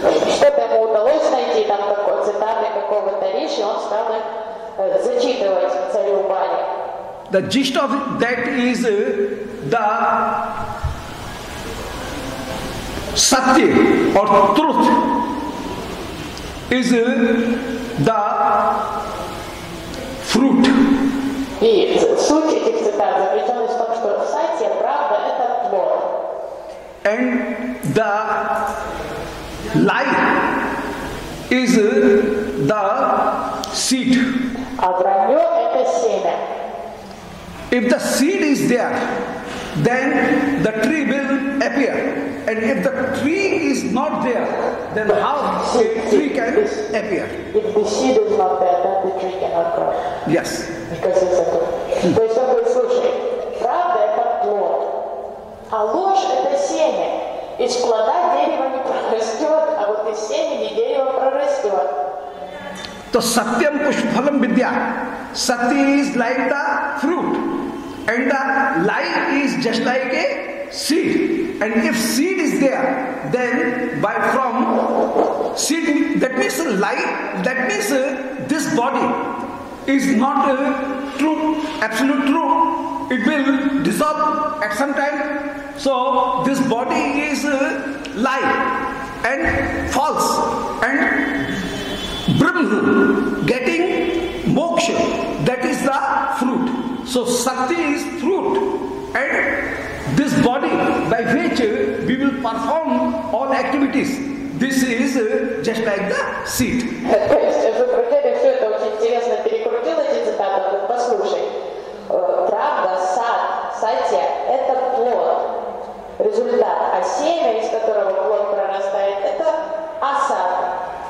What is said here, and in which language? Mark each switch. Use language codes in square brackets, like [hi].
[ru] Чтобы ему удалось найти там такой цитаты какого-то Риши, он стал зачитывать царю Бали. [en] The gist of that is the Satya or truth is the fruit. [ru] И суть этих цитат заключалась в том, что сатья, правда, это плод. [en] And the lie is the seed. [ru] А вранье – это семя. [en] If the seed is there, then the tree will appear. And if the tree is not there, then how a tree can appear? If the seed is not there, then the tree cannot grow. Yes. Because it's a tree. [ru] То есть он говорит, слушай, правда это плод, а ложь это семя. Из плода дерево не прорастет, а вот из семени дерево прорастет. [sa] То сатьям пушпалам видья. [en] Сати is like the fruit. And the lie is just like a seed. And if seed is there, then by from seed, that means lie, that means this body is not true, absolute true. It will dissolve at some time. So this body is lie and false. And Brahma getting moksha, that is the fruit. So sati is fruit and this body by which we will perform all activities. This is just like the seed. [ru] То есть, в Шукрачарье все это очень интересно перекрутил эти цитаты, вот послушай. Правда, сатья – это плод, результат. А семя, из которого плод прорастает, это асад.